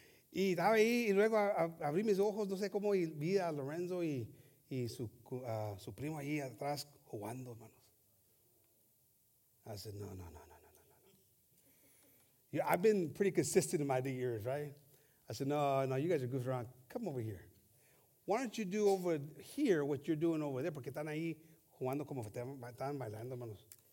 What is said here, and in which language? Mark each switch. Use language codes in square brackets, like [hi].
[es] Y estaba ahí, y luego abrí mis ojos, no sé cómo, y vi a Lorenzo y su primo ahí atrás jugando, hermano. [en] I said, no. Yeah, I've been pretty consistent in my New Year's, right? I said, no, you guys are goofing around. Come over here. Why don't you do over here what you're doing over there? [es] Porque están ahí jugando como están bailando, manos.